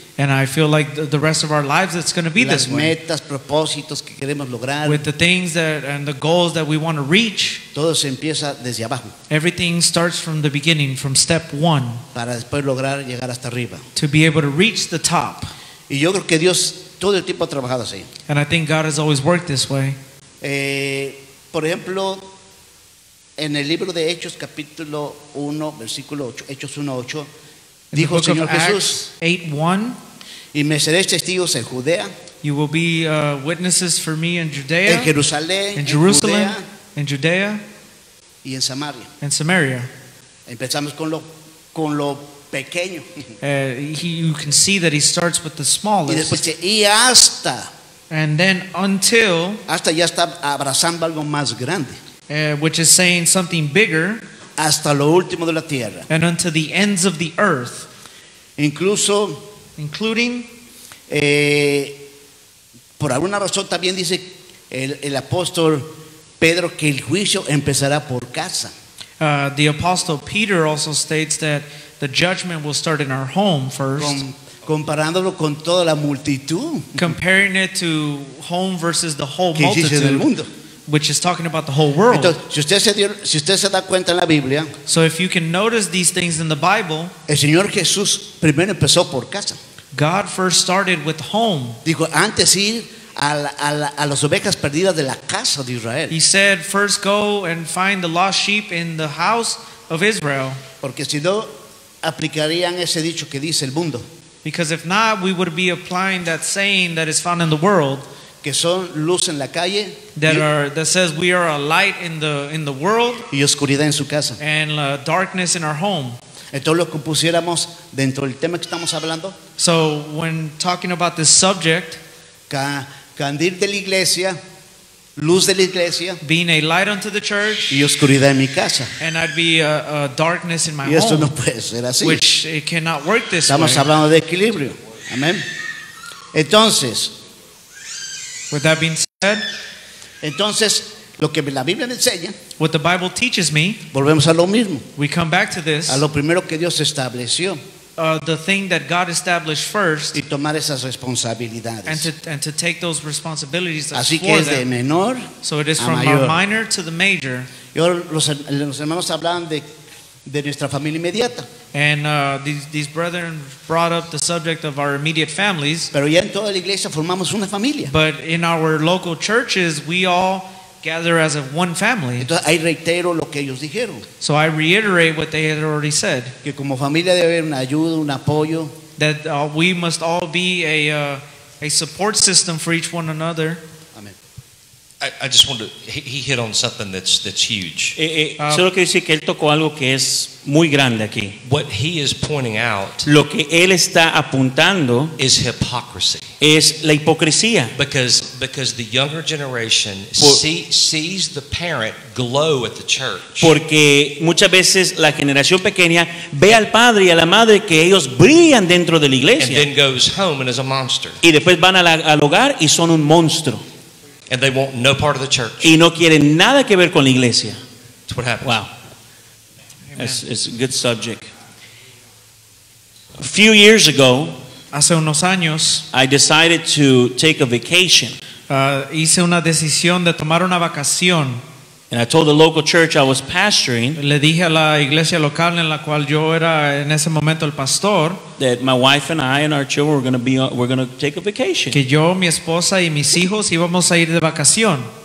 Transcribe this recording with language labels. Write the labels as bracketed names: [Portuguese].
[English] And I feel like the rest of our lives it's going to be this way. [Spanish] Las metas, propósitos que queremos lograr. [English] With the things that and the goals that we want to reach. [Spanish] Todo se empieza desde abajo. [English] Everything starts from the beginning, from step one. [Spanish] Para después lograr llegar hasta arriba. [English] To be able to reach the top. [Spanish] Y yo creo que Dios todo el tiempo ha trabajado así. [English] And I think God has always worked this way. [Spanish] Por ejemplo, en el libro de Hechos, capítulo 1, versículo 8, Hechos 1, 8, [English] in [Spanish] dijo el Señor Jesús, [English] Acts 8, 1, [Spanish] y me seréis testigos en Judea, [English] you will be witnesses for me in Judea, [Spanish] en Jerusalén, [English] in Jerusalem, [Spanish] en Judea, [English] in Judea, [Spanish] y en Samaria. [English] In Samaria. [Spanish] Empezamos con lo pequeño. [English] You can see that he starts with the smallest. [Spanish] Y después dice, y hasta. [English] And then until. [Spanish] Hasta ya está abrazando algo más grande. [English] Which is saying something bigger. [Spanish] Hasta lo último de la tierra. [English] And unto the ends of the earth. [Spanish] Incluso. [English] Including. [Spanish] Por alguna razón también dice el apóstol Pedro que el juicio empezará por casa. [English] The apostle Peter also states that the judgment will start in our home first. [Spanish] Comparándolo con toda la multitud. [English] Comparing it to home versus the whole [Spanish] que [English] multitude. [Spanish] Que existe en el mundo. [English] Which is talking about the whole world. [Spanish] Entonces, si usted se da cuenta en la Biblia, [English] so if you can notice these things in the Bible, [Spanish] el Señor Jesús primero empezó por casa. [English] God first started with home. [Spanish] Dijo, antes ir a las ovejas perdidas de la casa de Israel. [English] He said, first go and find the lost sheep in the house of Israel. [Spanish] Porque si no, aplicarían ese dicho que dice el mundo. [English] Because if not, we would be applying that saying that is found in the world. [Spanish] Que son luz en la calle, [English] that says we are a light in the world, [Spanish] y oscuridad en su casa, [English] and darkness in our home. [Spanish] Entonces lo que pusiéramos dentro del tema que estamos hablando, [English] so when talking about this subject, [Spanish] candil de la iglesia, luz de la iglesia, [English] being a light unto the church, [Spanish] y oscuridad en mi casa, [English] and I'd be a darkness in my home. [Spanish] Y esto [English] home, [Spanish] no puede ser así, [English] which it cannot work this [Spanish] estamos [English] way. [Spanish] Hablando de equilibrio, amén. Entonces, [English] with that being said, [Spanish] entonces, lo que la Biblia me enseña, [English] what the Bible teaches me, [Spanish] volvemos a lo mismo, [English] we come back to this, [Spanish] a lo primero que Dios estableció, [English] the thing that God established first, [Spanish] y tomar esas responsabilidades, [English] and to take those responsibilities. [Spanish] Así que es [English] them, [Spanish] de menor, [English] so it is [Spanish] a [English] from [Spanish] mayor, [English] the minor to the major. [Spanish] Y ahora los hermanos hablan de nuestra familia inmediata. [English] And these brethren brought up the subject of our immediate families. [Spanish] Pero ya en toda la iglesia formamos una familia. [English] But in our local churches, we all gather as a one family. [Spanish] Entonces, ahí reitero lo que ellos dijeron. [English] So I reiterate what they had already said. [Spanish] Que como familia debe haber una ayuda, un apoyo. [English] That we must all be a support system for each one another. Amen. I just wanted to, he hit on something that's huge. [Spanish] Solo quiero decir que él tocó algo que es muy grande aquí. [English] What he is pointing out, [Spanish] lo que él está apuntando, [English] is hypocrisy. [Spanish] Es la hipocresía. [English] Because the younger generation sees the parent glow at the church. [Spanish] Porque muchas veces la generación pequeña ve al padre y a la madre que ellos brillan dentro de la iglesia. [English] And then goes home and is a monster. [Spanish] Y después van al hogar y son un monstruo. [English] And they want no part of the church. [Spanish] Y no quieren nada que ver con la iglesia. [English] That's what happens. Wow. It's a good subject. A few years ago, [Spanish] hace unos años, [English] I decided to take a vacation. [Spanish] Hice una decisión de tomar una vacación. [English] And I told the local church I was pastoring. [Spanish] Le dije a la iglesia local en la cual yo era en ese momento el pastor. [English] That my wife and I and our children were going to take a vacation. [Spanish] Que yo, mi esposa y mis hijos íbamos a ir de vacación.